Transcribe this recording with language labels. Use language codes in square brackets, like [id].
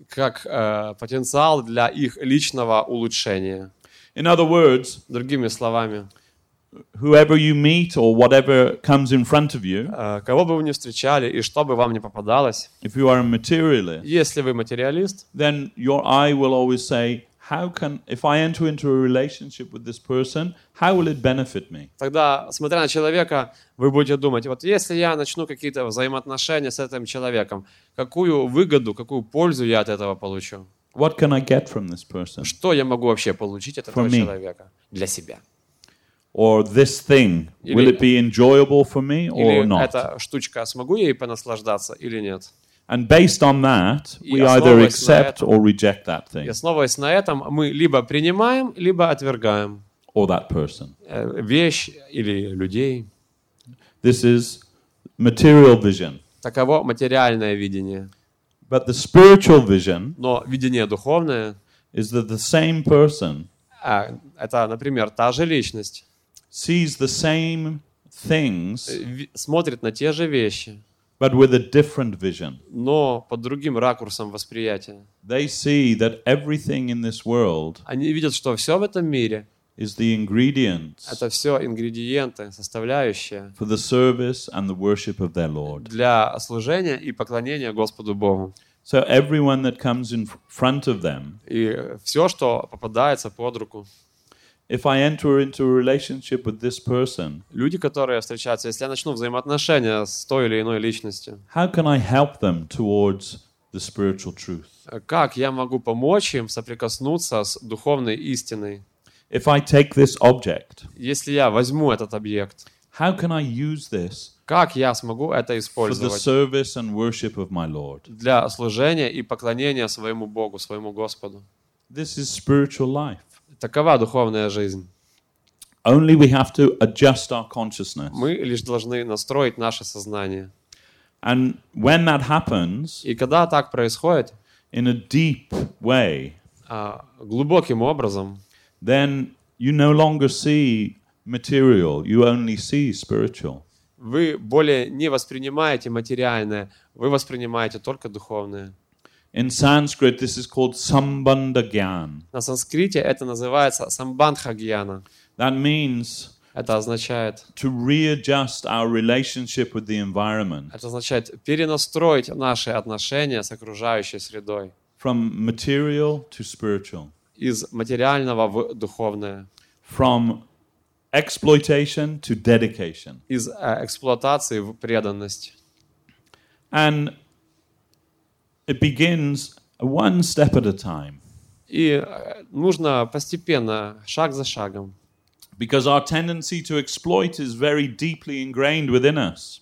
[ru] Как потенциал для их личного улучшения. [en] In other words, [ru] другими словами, [en] whoever you meet or whatever comes in front of you, [ru] кого бы вы ни встречали и что бы вам ни попадалось, [en] if you are a materialist, [ru] если вы материалист, [en] then your eye will always say, how can if I enter into a relationship with this person, how will it benefit me? [ru] Тогда, смотря на человека, вы будете думать, вот если я начну какие-то взаимоотношения с этим человеком, какую выгоду, какую пользу я от этого получу? [en] What can I get from this person? [ru] Что я могу вообще получить от этого человека для себя? [en] Or this thing, will it be enjoyable for me or not? [ru] Или эта штучка, смогу я ей понаслаждаться или нет? [en] And based on that, we either accept or reject that thing. [ru] И основываясь на этом, мы либо принимаем, либо отвергаем. [en] Or that person. [ru] Вещь или людей. [en] This is material vision. [ru] Таково материальное видение. [en] But the spiritual vision. [ru] Но видение духовное. [en] Is that the same person. [ru] Это, например, та же личность. [en] Sees the same things. [ru] Смотрит на те же вещи. [en] But with a different vision. [ru] Но под другим ракурсом восприятия. [en] They see that everything in this world. [ru] Они видят, что все в этом мире. [en] Is the ingredients. [ru] Это все ингредиенты, составляющие. [en] For the service and the worship of their Lord. [ru] Для служения и поклонения Господу Богу. [en] So everyone that comes in front of them. [ru] И все, что попадается под руку. [en] If I enter into a relationship with this person, [ru] люди, которые встречаются, если я начну взаимоотношения с той или иной личностью, [en] how can I help them towards the spiritual truth? [ru] Как я могу помочь им соприкоснуться с духовной истиной? [en] If I take this object, [ru] если я возьму этот объект, [en] how can I use this? [ru] Как я смогу это использовать? [en] For the service and worship of my Lord. [ru] Для служения и поклонения своему Богу, своему Господу. [en] This is spiritual life. [ru] Такова духовная жизнь. [en] Only we have to adjust our consciousness. [ru] Мы лишь должны настроить наше сознание. [en] And when that happens, [ru] и когда так происходит, [en] in a deep way, [ru] глубоким образом, [en] then you no longer see material, you only see spiritual. [ru] Вы более не воспринимаете материальное, вы воспринимаете только духовное. [en] In Sanskrit, this is called Sambandha Gyan. [ru] На санскрите это называется Самбандха Гьяна. [en] That means. [ru] Это означает. [en] To readjust our relationship with the environment. [ru] Это означает перенастроить наши отношения с окружающей средой. [en] From material to spiritual. [ru] Из материального в духовное. [en] From exploitation to dedication. [ru] Из эксплуатации в преданность. [en] And it begins one step at a time. [ru] И нужно постепенно, шаг за шагом. [en] Because our tendency to exploit is very deeply ingrained within us.